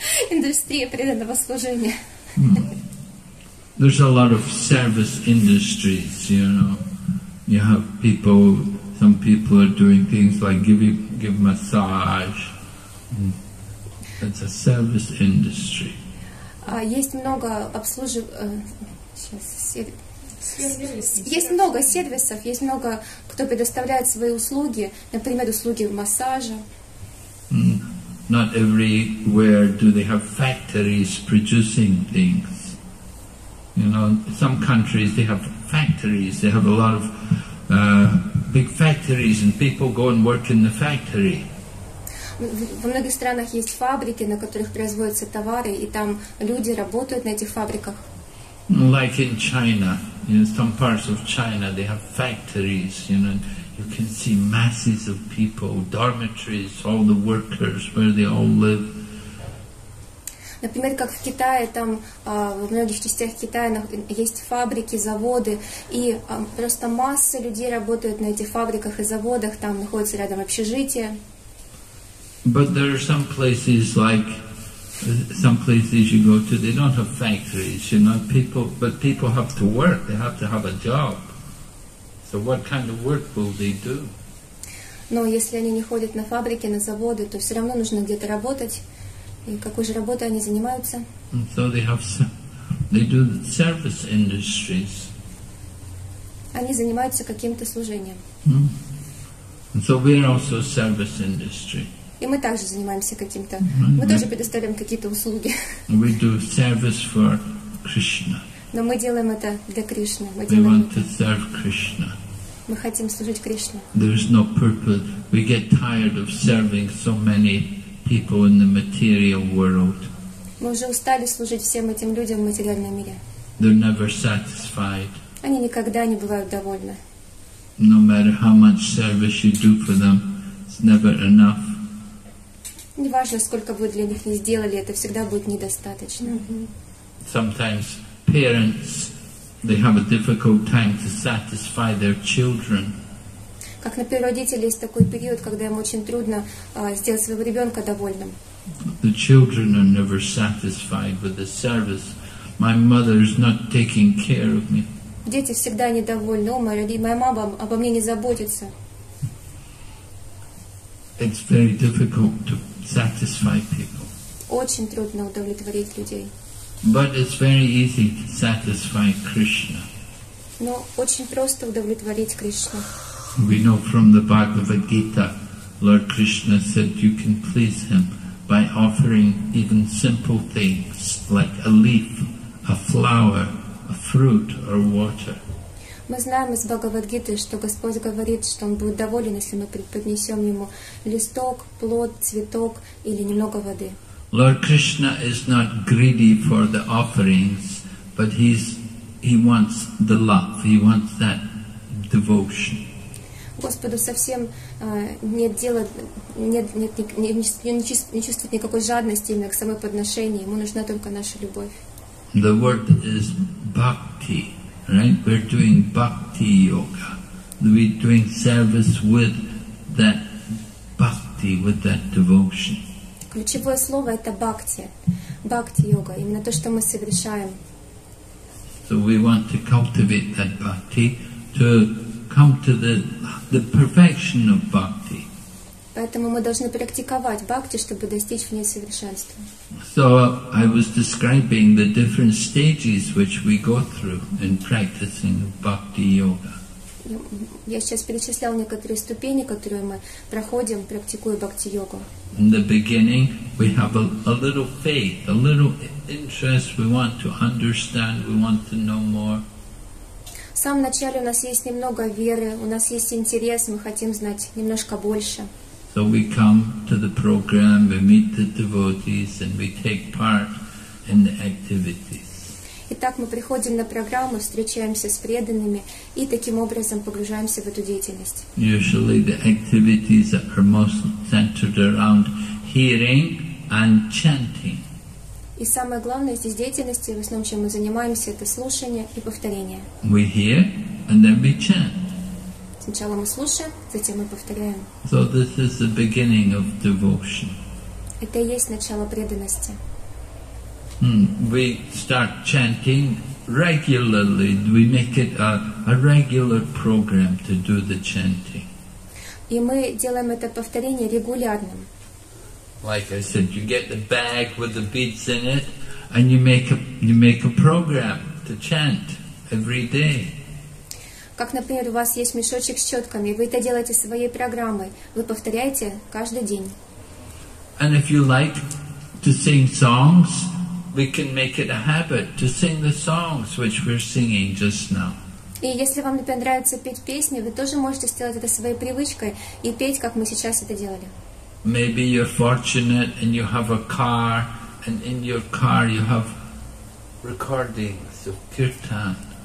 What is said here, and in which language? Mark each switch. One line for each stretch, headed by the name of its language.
Russian: Индустрия преданного служения.
English: There's a lot of service industries, you know. You have people, some people are doing things like give massage. It's a service industry.
Russian: Есть много сервисов, есть много, кто предоставляет свои услуги, например, услуги массажа.
English: Not everywhere do they have factories producing things. You know, some countries they have factories, they have a lot of big factories and people go and work in the factory.
Russian: Во многих странах есть фабрики, на которых производятся товары, и там люди работают на этих фабриках.
English: Like in China, in some parts of China, they have factories, you know, you can see masses of people, dormitories, all the workers, where they all live.
Russian: Например, как в Китае, там в многих частях Китая есть фабрики, заводы, и просто масса людей работают на этих фабриках и заводах, там находятся рядом общежития.
English: But there are some places like some places you go to, they don't have factories, you know, people, but people have to work, they have to have a job. So what kind of work will they do?
Russian: Но если они не ходят на фабрики, на заводы, то все равно нужно где-то работать. И какой же работой они занимаются?
English: So they do service industries.
Russian: Они занимаются каким-то служением.
English: And so we are also service industry.
Russian: И мы также занимаемся каким-то. Mm-hmm. Мы тоже предоставляем какие-то услуги.
English: We do service for Krishna.
Russian: Но мы делаем это для Кришны.
English: We want to serve Krishna.
Russian: Мы хотим служить Кришне.
English: There is no purpose. We get tired of serving so many people in the material world.
Russian: Мы уже устали служить всем этим людям в материальном мире.
English: They're never satisfied.
Russian: Они никогда не бывают довольны.
English: No matter how much service you do for them, it's never enough.
Russian: Не важно, сколько вы для них не сделали, это всегда будет недостаточно.
English: Sometimes parents, they have a difficult time to satisfy their children.
Russian: Как, например, родители, есть такой период, когда им очень трудно сделать своего ребенка довольным.
English: The children are never satisfied with the service. My mother is not taking care of me.
Russian: Дети всегда недовольны. Моя мама обо мне не заботится.
English: It's very difficult to satisfy people.
Russian: Очень трудно удовлетворить людей.
English: But it's very easy to satisfy Krishna.
Russian: Но очень просто удовлетворить Кришну.
English: We know from the Bhagavad Gita, Lord Krishna said you can please him by offering even simple things like a leaf, a flower, a fruit or water.
Russian: Мы знаем из Бхагавад Гиты, что Господь говорит, что он будет доволен, если мы преподнесем ему листок, плод, цветок или немного воды.
English: Lord Krishna is not greedy for the offerings, but he wants the love, he wants that devotion.
Russian: Господу совсем не чувствует никакой жадности именно к самоподношению, ему нужна только наша любовь.
English: The word is bhakti, right? We're doing bhakti yoga. We're doing service with that bhakti, with that devotion.
Russian: Ключевое слово — это бхакти, бхакти-йога, именно то, что мы совершаем.
English: So we want to cultivate that bhakti, to come to the perfection of bhakti.
Russian: Поэтому мы должны практиковать бхакти, чтобы достичь в ней совершенства.
English: So I was describing the different stages which we go through in practicing bhakti-йога.
Russian: Я сейчас перечислял некоторые ступени, которые мы проходим, практикуя бхакти-йогу.
English: In the beginning, we have a little faith, a little interest. We want to understand. We want to know more.
Russian: В самом начале у нас есть немного веры, у нас есть интерес, мы хотим знать немножко больше.
English: So we come to the program, we meet the devotees, and we take part in the activities.
Russian: Итак, мы приходим на программу, встречаемся с преданными и таким образом погружаемся в эту деятельность.
English: Usually the activities are most centered around hearing and chanting.
Russian: И самое главное здесь деятельности, в основном, чем мы занимаемся, это слушание и повторение.
English: We hear and then we chant.
Russian: Сначала мы слушаем, затем мы повторяем.
English: So this is the beginning of devotion.
Russian: Это и есть начало преданности.
English: We start chanting regularly. We make it a regular program to do the chanting.
Russian: И мы делаем это повторение регулярным.
English: Like I said, you get the bag with the beads in it, and you make a program to chant every day.
Russian: Как, например, у вас есть мешочек с четками, вы это делаете своей программой, вы повторяете каждый день.
English: And if you like to sing songs, we can make it a habit to sing the songs which we're singing just now.
Russian: И если вам нравится петь песни, вы тоже можете сделать это своей привычкой и петь, как мы сейчас это делали.
English: Maybe you're fortunate and you have a car, and in your car you have recordings of kirtan.